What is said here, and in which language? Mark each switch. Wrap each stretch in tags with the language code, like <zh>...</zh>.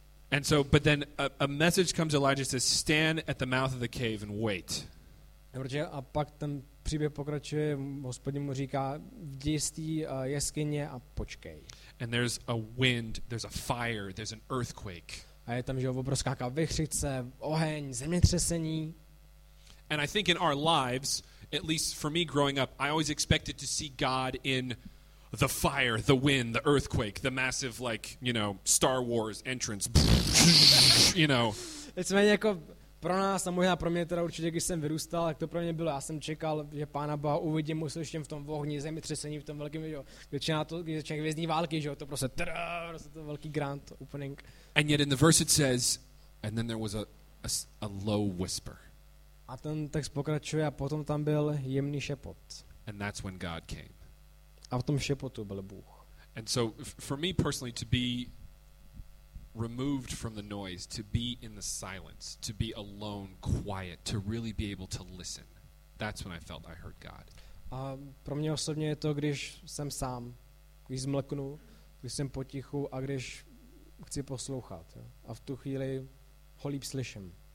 <en>And so, but then a message comes to Elijah, says, stand at the mouth of the cave and wait.</en> <cs>A pak ten příběh pokračuje, Hospodin mu říká, vdi z té jeskyně a počkej.</cs> <en>And there's a wind, there's a fire, there's an earthquake.</en> <cs>A je tam, že obrovská vichřice, oheň, zemětřesení.</cs> <en>And I think in our lives, at least for me growing up, I always expected to see God in the fire, the wind, the earthquake, the massive, like, you know, Star Wars entrance, you know.</en> <cs>Nicméně jako pro nás, a možná pro mě teda určitě, když jsem vyrůstal, tak to pro mě bylo, já jsem čekal, že Pána Boha uvidím, musel ještě v tom ohni, zemětřesení, v tom velkém, jo, když začíná Hvězdní války, že jo, to prostě, prostě to velký</cs> <en>grand opening. And yet in the verse it says, and then there was a low whisper.</en> <cs>A ten text pokračuje a potom tam byl jemný šepot.</cs> <en>And that's when God came.</en> <cs>A v tom šepotu byl Bůh.</cs> <en>And so for me personally to be removed from the noise, to be in the silence, to be alone, quiet, to really be able to listen. That's when I felt I heard God.</en> <cs>A pro mě osobně je to, když jsem sám, když zmlknu, když jsem potichu a když chci poslouchat. Jo? A v tu chvíli ho líp slyším.</cs>